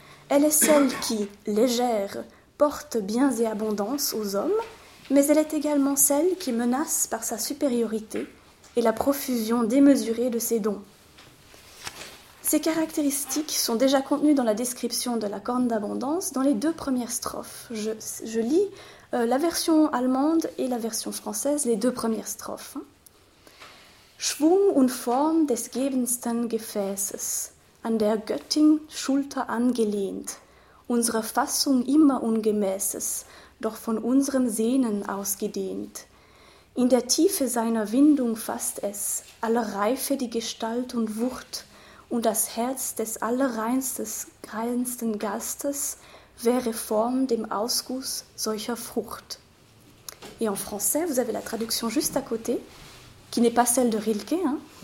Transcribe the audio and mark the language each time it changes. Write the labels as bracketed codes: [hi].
[fr] Elle est celle qui, légère, porte biens et abondance aux hommes, mais elle est également celle qui menace par sa supériorité et la profusion démesurée de ses dons. Ces caractéristiques sont déjà contenues dans la description de la corne d'abondance dans les deux premières strophes. Je lis la version allemande et la version française, les deux premières strophes. [de] Schwung und Form des gebensten Gefäßes, an der Göttin Schulter angelehnt, unsere Fassung immer ungemäßes, doch von unserem Sehnen ausgedehnt. In der Tiefe seiner Windung fasst es, alle Reife die Gestalt und Wucht, und das Herz des allerreinsten Gastes wäre Form dem Ausguss solcher Frucht. [fr] Et en français, vous avez la traduction juste à côté, qui n'est pas celle de Rilke. Hein.